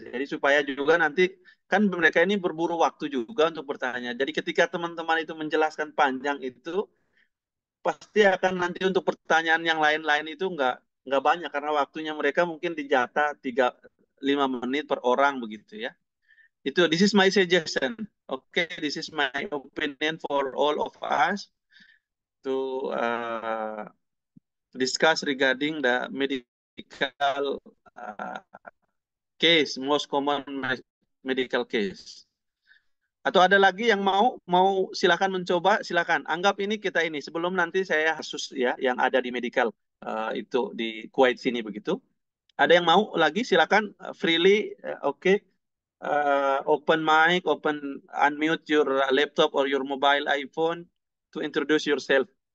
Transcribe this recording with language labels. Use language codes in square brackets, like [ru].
[id] Jadi supaya juga nanti, kan mereka ini berburu waktu juga untuk bertanya. Jadi ketika teman-teman itu menjelaskan panjang itu, pasti akan nanti untuk pertanyaan yang lain-lain itu nggak banyak, karena waktunya mereka mungkin dijatah 3-5 menit per orang begitu ya. Itu, [en] this is my suggestion. Okay, this is my opinion for all of us to discuss regarding the medical case, most common medical case. [id] Atau ada lagi yang mau silakan mencoba, silakan. Anggap ini kita ini sebelum nanti saya khusus ya yang ada di medical itu di Kuwait sini begitu. Ada yang mau lagi silakan [en] freely okay. Open mic, open unmute your laptop or your mobile iPhone to introduce yourself.